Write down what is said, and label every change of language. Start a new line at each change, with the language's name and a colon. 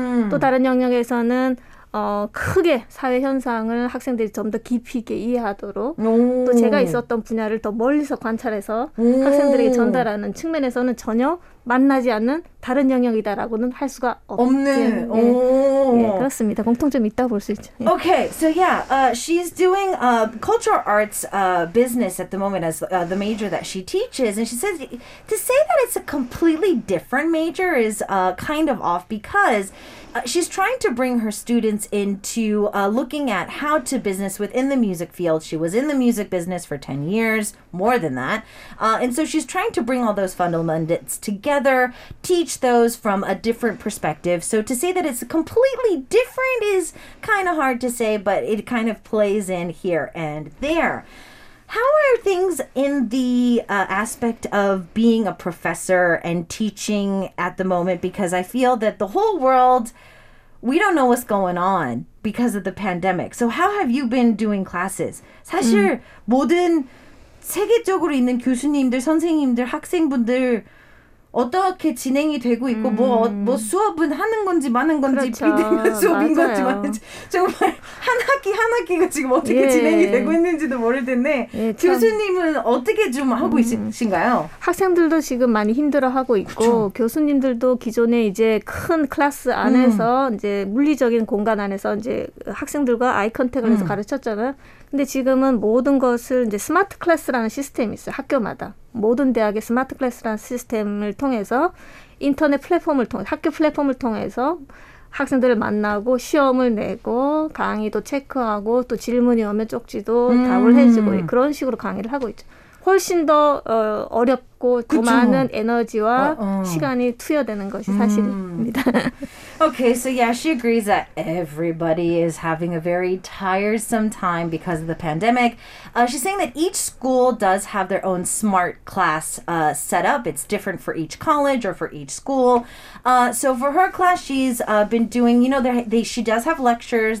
Korean: 또 다른 영역에서는 크게 사회 현상을 학생들이 좀 더 깊이 있게 이해하도록 또 제가 있었던 분야를 더 멀리서 관찰해서 학생들에게 전달하는 측면에서는 전혀 만나지 않는 다른 영역이다라고는 할 수가 없는. 예. 예, 그렇습니다. 공통점이 있다 볼 수 있죠. 예.
English: Okay, so yeah, she's doing cultural arts business at the moment as the major that she teaches, and she says to say that it's a completely different major is kind of off because she's trying to bring her students into looking at how to business within the music field. She was in the music business for 10 years, more than that. And so she's trying to bring all those fundamentals together, teach those from a different perspective. So to say that it's completely different is kind of hard to say, but it kind of plays in here and there. How are things in the aspect of being a professor and teaching at the moment? Because I feel that the whole world, we don't know what's going on because of the pandemic. So how have you been doing classes?
Korean: 사실 모든 세계적으로 있는 교수님들, 선생님들, 학생분들 어떻게 진행이 되고 있고 뭐 수업은 하는 건지 마는 건지 그렇죠. 비대면 수업인 건지 맞는지 정말 한 학기가 지금 어떻게 예. 진행이 되고 있는지도 모를 텐데 예, 교수님은 어떻게 좀 하고 있으신가요? 학생들도 지금 많이 힘들어하고 있고 그렇죠. 교수님들도 기존에 이제 큰 클래스 안에서 이제 물리적인 공간 안에서 이제 학생들과 아이 컨택을 해서 가르쳤잖아요. 근데 지금은 모든 것을 이제 스마트 클래스라는 시스템이 있어요. 학교마다. 모든 대학의 스마트 클래스라는 시스템을 통해서 인터넷 플랫폼을 통해서 학교 플랫폼을 통해서 학생들을 만나고 시험을 내고 강의도 체크하고 또 질문이 오면 쪽지도 답을 해주고 그런 식으로 강의를 하고 있죠. 훨씬 더 어렵고 그쵸. 더 많은 에너지와 시간이 투여되는 것이 사실입니다.
English: Okay, so yeah, she agrees that everybody is having a very tiresome time because of the pandemic. She's saying that each school does have their own smart class set up. It's different for each college or for each school. So for her class, she's been doing, you know, she does have lectures.